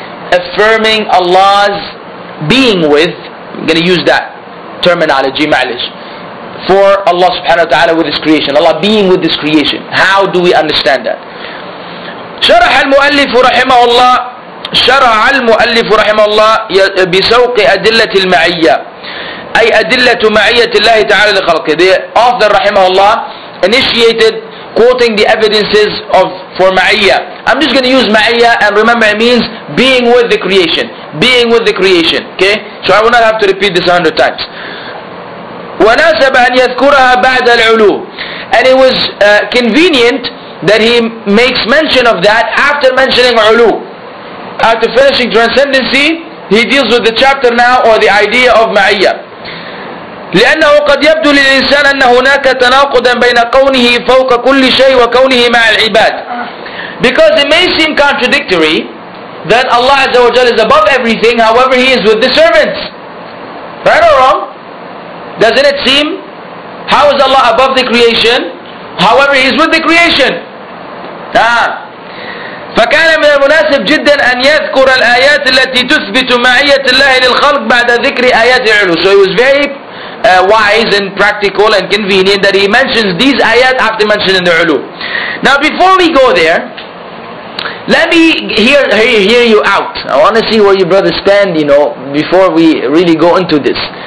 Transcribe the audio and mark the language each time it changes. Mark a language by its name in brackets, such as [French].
[English] Affirming Allah's being with, I'm going to use that terminology, ma'alish, for Allah subhanahu wa ta'ala with His creation. Allah being with His creation. How do we understand that? [Arabic] شرح المؤلف رحمه الله بسوق أدلة المعية أي أدلة معية الله تعالى لخلقه. [English] The author [Arabic] رحمه الله [English] initiated quoting the evidences of for ma'iyya. I'm just going to use ma'iyya, and remember it means being with the creation. Being with the creation. Okay? So I will not have to repeat this 100 times. [Arabic] وناسب أن يذكرها بعد العلو. [English] And it was convenient that he makes mention of that after mentioning علو. After finishing transcendency, he deals with the chapter now or the idea of ma'iyya. [Arabic] لأنه قد يبدو للإنسان أن هناك تناقضا بين كونه فوق كل شيء وكونه مع العباد. [English] Because it may seem contradictory that Allah Azza wa Jal is above everything, however He is with the servants. Right or wrong? Doesn't it seem? How is Allah above the creation? However He is with the creation. [Arabic] فكان من المناسب جدا أن يذكر الآيات التي تثبت معية الله للخلق بعد ذكر آيات العلو. [English] So it was very wise and practical and convenient that he mentions these ayat after mentioning the ulu. Now before we go there, let me hear you out. I want to see where your brother stand, you know, before we really go into this.